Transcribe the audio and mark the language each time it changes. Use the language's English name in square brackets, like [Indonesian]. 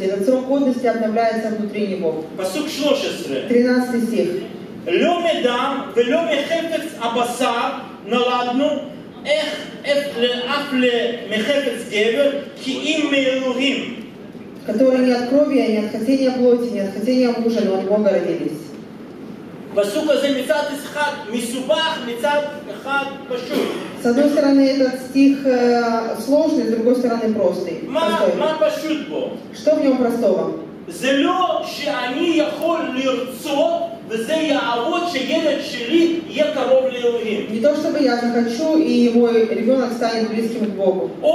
[Russian] Этот срок годности обновляется внутри него. 13 стих. [Hebrew] Ло медам, вело мехефец абасар, נולדנו איך אף למחפץ גבר כי אם מאלוהים [Russian] который не от крови, а не от хотения плоти, не от хотения мужа, но от Бога родились. [Hebrew] פסוק הזה מצד אחד מסובך, מצד אחד פשוט. [Russian] С одной стороны, этот стих сложный, с другой стороны, простый. [Hebrew] מה פשוט בו? [Russian] Что в нем простого? [Hebrew] זה לא שאני יכול לרצות. [Russian] Не то, чтобы я захочу, и мой ребенок станет близким к Богу.